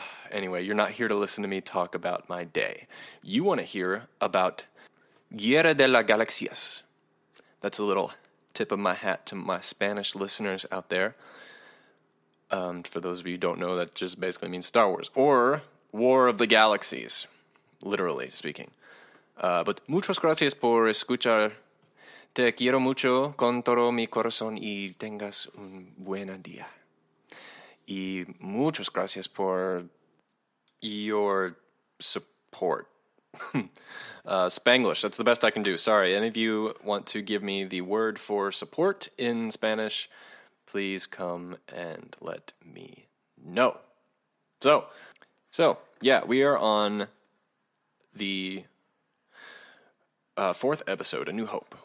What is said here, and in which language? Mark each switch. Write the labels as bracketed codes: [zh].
[en] Anyway, you're not here to listen to me talk about my day. You want to hear about Guerra de las Galaxias. That's a little tip of my hat to my Spanish listeners out there. For those of you who don't know, that just basically means Star Wars, or War of the Galaxies, literally speaking. [es] But muchas gracias por escuchar. Te quiero mucho con todo mi corazón y tengas un buen día. Y muchas gracias por [en] your support. Spanglish, that's the best I can do. Sorry, any of you want to give me the word for support in Spanish? Please come and let me know. So yeah, we are on the fourth episode, A New Hope.